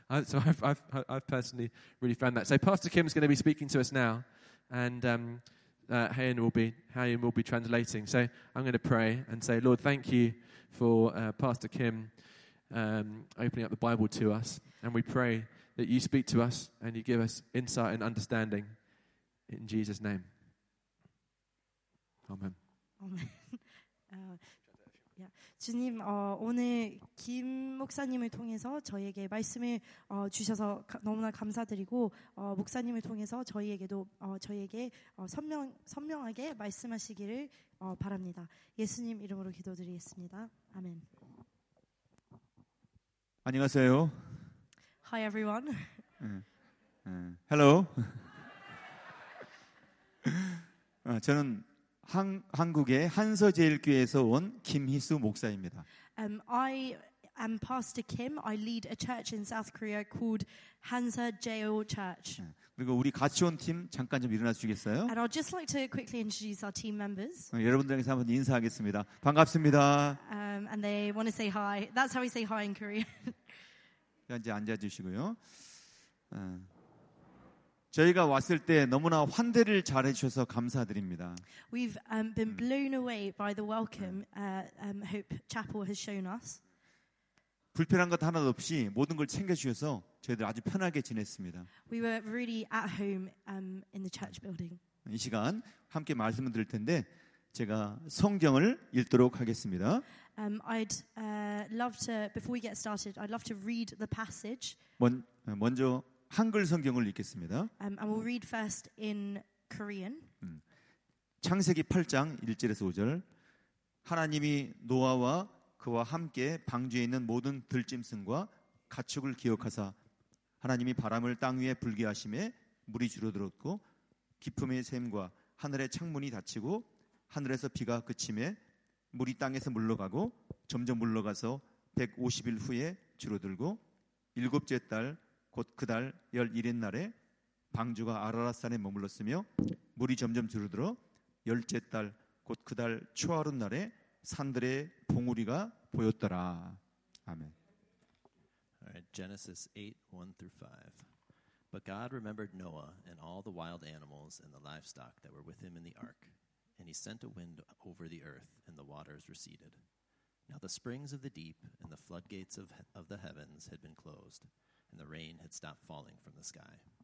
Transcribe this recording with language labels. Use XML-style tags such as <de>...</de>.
<en>So I've personally really found that. So Pastor Kim's going to be speaking to us now, and Hayan will be translating. So I'm going to pray and say, Lord, thank you for Pastor Kim opening up the Bible to us, and we pray that you speak to us and you give us insight and understanding in Jesus' name. Amen. Amen.</en> <ko>주님, 오늘 김 목사님을 통해서 저희에게 말씀을 주셔서 너무나 감사드리고 목사님을 통해서 저희에게도 저희에게 선명하게 말씀하시기를 바랍니다. 예수님 이름으로 기도드리겠습니다. 아멘. 안녕하세요.</ko> <en>Hi everyone. Hello.</en> <ko>저는 한국의 한서제일교회에서 온 김희수 목사입니다.</ko> <en>I am Pastor Kim. I lead a church in South Korea called Hansa Jeol Church.</en> <ko>그리고 우리 같이 온 팀 잠깐 좀 일어나 주겠어요?</ko> <en>And I'd just like to quickly introduce our team members.</en> <ko>여러분들에게 한번 인사하겠습니다. 반갑습니다.</ko> <en>And they want to say hi. That's how we say hi in Korean.</en> <ko>이제 앉아주시고요. 저희가 왔을 때 너무나 환대를 잘해주셔서 감사드립니다.</ko> <en>We've been blown away by the welcome Hope Chapel has shown us.</en> <ko>불편한 것 하나도 없이 모든 걸 챙겨주셔서 저희들 아주 편하게 지냈습니다.</ko> <en>We were really at home in the church building.</en> <ko>이 시간 함께 말씀 드릴 텐데 제가 성경을 읽도록 하겠습니다.</ko> <en>I'd love to, before we get started, I'd love to read the passage.</en> <ko>먼저 한글 성경을 읽겠습니다.</ko> <en>And we'll read first in Korean.</en> <ko>창세기 8장 1절에서 5절. 하나님이 노아와 그와 함께 방주에 있는 모든 들짐승과 가축을 기억하사 하나님이 바람을 땅 위에 불게 하심에 물이 줄어들었고 기품의 샘과 하늘의 창문이 닫히고 하늘에서 비가 그침에 물이 땅에서 물러가고 점점 물러가서 150일 후에 줄어들고 일곱째 달 곧 그 달 열일의 날에 방주가 아라라산에 머물렀으며 물이 점점 줄어들어 열째 달 곧 그 달 초하루 날에 산들의 봉우리가 보였더라. 아멘.</ko> <en>Alright, Genesis 8:1-5. But God remembered Noah and all the wild animals and the livestock that were with him in the ark. And he sent a wind over the earth, and the waters receded. Now the springs of the deep and the floodgates of the heavens had been closed, and the rain had stopped falling from the sky.</en>